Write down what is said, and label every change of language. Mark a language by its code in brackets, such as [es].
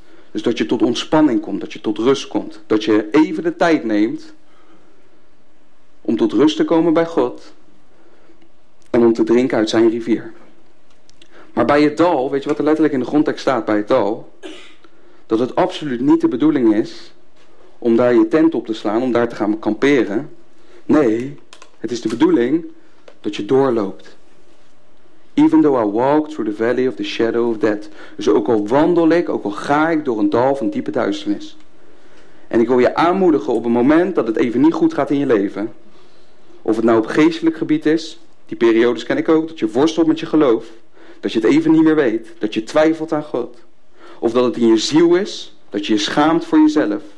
[nl] Dus dat je tot ontspanning komt, dat je tot rust komt. Dat je even de tijd neemt om tot rust te komen bij God en om te drinken uit zijn rivier. Maar bij het dal, weet je wat er letterlijk in de grondtekst staat bij het dal? Dat het absoluut niet de bedoeling is om daar je tent op te slaan, om daar te gaan kamperen. Nee, het is de bedoeling dat je doorloopt. [en] Even though I walk through the valley of the shadow of death. [nl] Dus ook al wandel ik, ook al ga ik door een dal van diepe duisternis. En ik wil je aanmoedigen op het moment dat het even niet goed gaat in je leven. Of het nou op geestelijk gebied is, die periodes ken ik ook, dat je worstelt met je geloof. Dat je het even niet meer weet, dat je twijfelt aan God. Of dat het in je ziel is, dat je je schaamt voor jezelf.